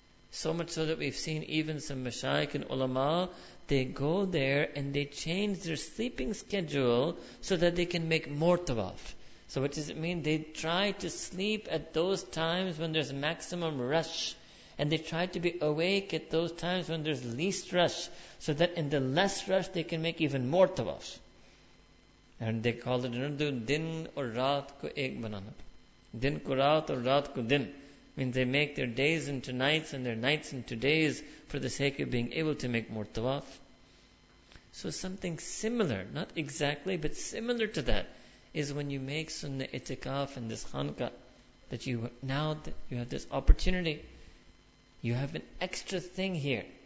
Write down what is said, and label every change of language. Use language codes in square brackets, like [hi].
[en] So much so that we've seen even some mashayikh and ulama, they go there and they change their sleeping schedule so that they can make more tawaf. So what does it mean? They try to sleep at those times when there's maximum rush. And they try to be awake at those times when there's least rush, so that in the less rush they can make even more tawaf. And they call it in Urdu, [ur] دن اور رات کو ایک بنانا. دن کو رات اور رات کو دن. [en] Means they make their days into nights and their nights into days for the sake of being able to make more tawaf. So something similar, not exactly, but similar to that, is when you make sunnah itikaf in this Hanukkah, that you now that you have this opportunity, you have an extra thing here.